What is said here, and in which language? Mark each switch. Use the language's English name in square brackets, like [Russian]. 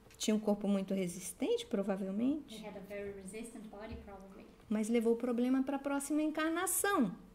[Portuguese] Tinha um corpo muito resistente, provavelmente. [English] He had a very resistant body, probably. [Portuguese] Mas levou o problema para a próxima encarnação.